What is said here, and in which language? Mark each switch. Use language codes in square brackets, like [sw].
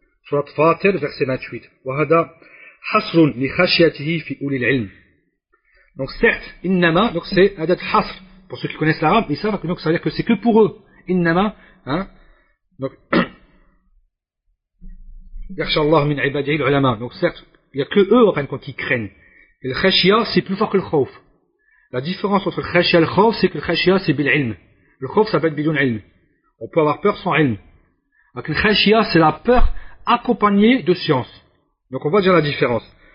[ar] سورة فاطر [fr] verset 28. [ar] وهذا حصر لخشيته في أولي العلم. [fr] Donc certes, إنما, donc c'est adat حصر. Pour ceux qui connaissent l'arabe, ils savent que donc ça veut dire que c'est que pour eux. [ar] إنما, hein. Donc يخشى الله من عباده العلماء. [fr] Donc certes, il y a que eux en fin de compte qui craignent. Et le khashia, c'est plus fort que le khawf. La différence entre le khashia et le khawf, c'est que le khashia, c'est [ar] bil ilm. [fr] Le khawf, ça peut être [ar] bidun ilm. [fr] On peut avoir peur sans ilm. Donc, le khashia, c'est la peur accompagnée de science. Donc, on voit déjà la différence.